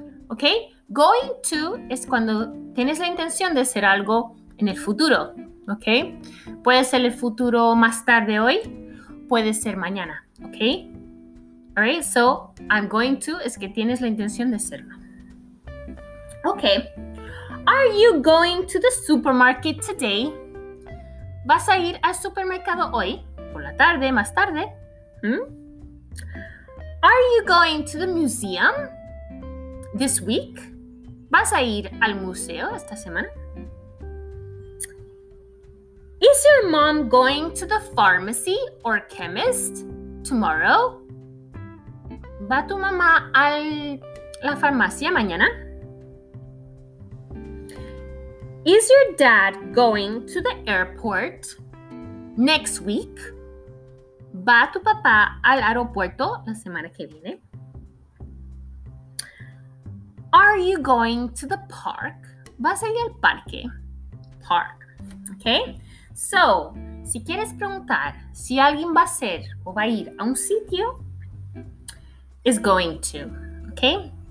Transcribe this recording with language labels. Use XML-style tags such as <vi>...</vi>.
<en>Okay, going to</en> <es>es cuando tienes la intención de hacer algo en el futuro, okay. Puede ser el futuro más tarde hoy, puede ser mañana, okay.</es> <en>All right, so I'm going to</en> <es>es que tienes la intención de hacerlo.</es> <en>Okay, are you going to the supermarket today?</en> <es>¿Vas a ir al supermercado hoy? Por la tarde, más tarde.</es> <en>Are you going to the museum this week?</en> <es>¿Vas a ir al museo esta semana?</es> <en>Is your mom going to the pharmacy or chemist tomorrow?</en> <es>¿Va tu mamá a la farmacia mañana?</es> <en>Is your dad going to the airport next week?</en> <es>¿Va tu papá al aeropuerto la semana que viene?</es> <en>Are you going to the park?</en> <es>¿Vas a ir al parque?</es> <en>Park. Okay?</en> <es>So, si quieres preguntar si alguien va a ser o va a ir a un sitio,</es> <en>is going to.</en> <es>Okay?</es>